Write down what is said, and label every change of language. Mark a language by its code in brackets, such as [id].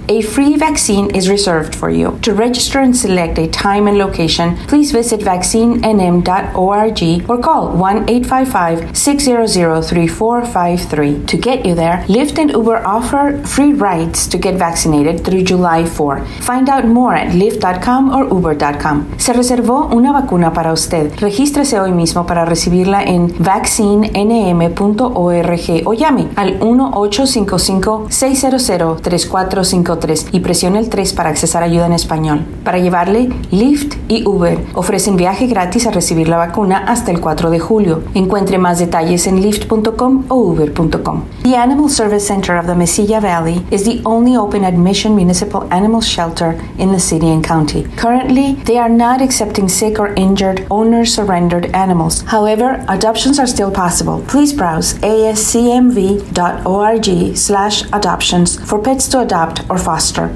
[en] A free vaccine is reserved for you. To register and select a time and location, please visit vaccinenm.org or call 1-855-600-3453. To get you there, Lyft and Uber offer free rides to get vaccinated through July 4. Find out more at Lyft.com or Uber.com. [es] Se reservó una vacuna para usted. Regístrese hoy mismo para recibirla en vaccinenm.org o llame al 1-855-600-3453. Y presione el 3 para accesar ayuda en español. Para llevarle, Lyft y Uber ofrecen viaje gratis a recibir la vacuna hasta el 4 de julio. Encuentre más detalles en Lyft.com o Uber.com. [en] The Animal Service Center of the Mesilla Valley is the only open admission municipal animal shelter in the city and county. Currently, they are not accepting sick or injured owner-surrendered animals. However, adoptions are still possible. Please browse ascmv.org/adoptions for pets to adopt or foster.